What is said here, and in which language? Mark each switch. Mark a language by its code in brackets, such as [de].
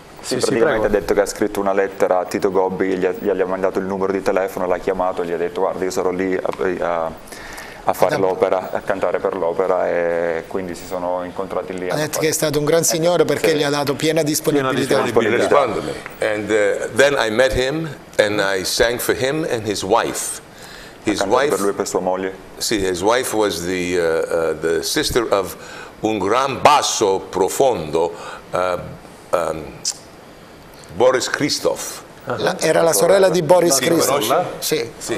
[it] Sì, sì, praticamente sì, ha detto che ha scritto una lettera a Tito Gobbi, gli ha mandato il numero di telefono, l'ha chiamato, gli ha detto guarda io sarò lì a fare l'opera, a cantare per l'opera, e quindi si sono incontrati lì. Ha detto che è stato un gran signore perché sì. Gli ha dato piena disponibilità. Piena disponibilità. [en] And then I met him and I sang for him and his wife. His wife, [it] per lui e per sua moglie. [en] Sì, his wife was the sister of [it] un gran basso profondo, [en] Boris Christoph. [it] Era la sorella di Boris Christian. Sì.